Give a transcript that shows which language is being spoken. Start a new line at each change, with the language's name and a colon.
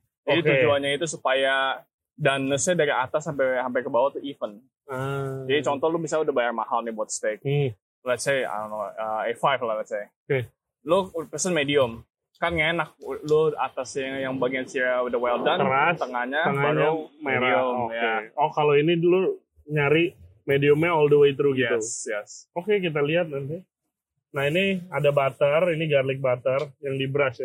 Indonesian: Jadi tujuannya itu supaya doneness-nya dari atas sampai ke bawah tuh even. Jadi contoh lu misalnya udah bayar mahal nih buat steak.
English: Let's say, I don't know, A5 lah let's say. Okay.
Indonesian: Lu pesen medium, kan enak. Lu atasnya yang bagian sear udah well done, keras, tengahnya baru merah.
English: Medium. Okay. Yeah.
Indonesian: Oh, kalau ini dulu nyari mediumnya
English: all the way through, yes,
Indonesian: gitu.
English: Yes, yes.
Indonesian: Oke, okay, kita lihat nanti. Nah, ini ada butter, ini garlic butter yang di brush ya.